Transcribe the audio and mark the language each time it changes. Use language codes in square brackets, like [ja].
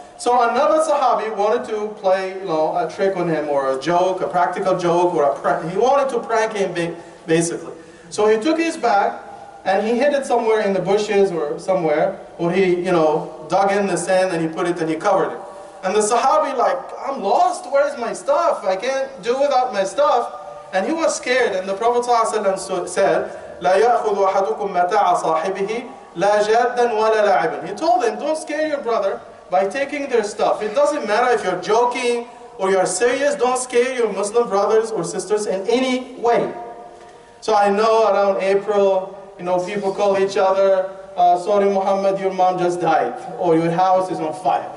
[en] So another Sahabi wanted to play, you know, a trick on him or a joke, a practical joke or a prank. He wanted to prank him basically. So he took his bag and he hid it somewhere in the bushes or somewhere, or he, you know, dug in the sand and he put it and he covered it. And the Sahabi like, I'm lost, where is my stuff? I can't do without my stuff. And he was scared, and the Prophet ﷺ said, [ar] لَا يَأْخُذُ أَحَدُكُمْ مَتَاعَ صَاحِبِهِ لَا جَادًا وَلَا لَعِبًا. [en] He told them, don't scare your brother by taking their stuff. It doesn't matter if you're joking or you're serious, don't scare your Muslim brothers or sisters in any way. So I know around April, you know, people call each other, sorry Muhammad, your mom just died, or your house is on fire.